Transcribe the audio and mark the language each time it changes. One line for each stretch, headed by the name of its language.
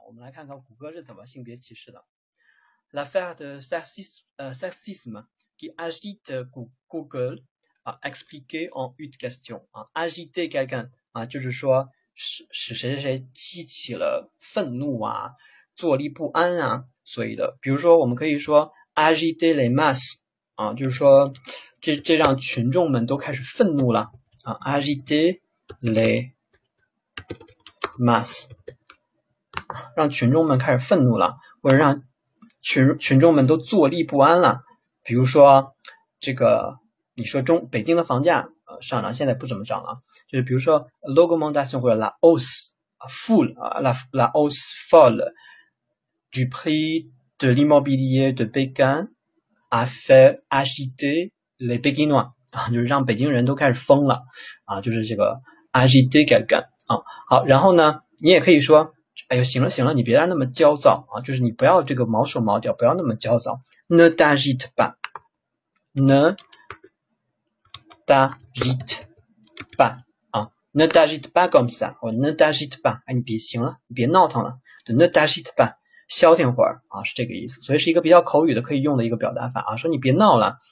Chinese: 我们来看看谷歌是怎么性别歧视的。
French: L'affaire de sexisme qui agite Google a expliqué en une question
Chinese: 啊，agiter quelqu'un 啊，就是说使谁谁谁激起了愤怒啊，坐立不安啊，所以的，比如说我们可以说
French: agiter les masses
Chinese: 啊，就是说这让群众们都开始愤怒了。啊，
French: agiter les masses，
Chinese: 让群众们开始愤怒了，或者让群众们都坐立不安了。比如说，这个你说北京的房价上涨，现在不怎么涨了，就是比如说 l'augmentation 或者
French: la hausse folle 啊，la hausse folle du prix de l'immobilier de Pékin a fait agiter les Pékinois。
Chinese: 啊，就是让北京人都开始疯了啊，就是这个 agiter quelqu'un 啊，好，然后呢，你也可以说，哎呦，行了行了，你别再那么焦躁啊，就是你不要这个毛手毛脚，不要那么焦躁，ne t'agite pas，ne t'agite pas 啊，
French: ne t'agite pas comme ça，
Chinese: 哦，ne t'agite pas，哎，你别行了，你别闹腾了，ne t'agite pas，消停会儿啊，是这个意思，所以是一个比较口语的可以用的一个表达法啊，说你别闹了。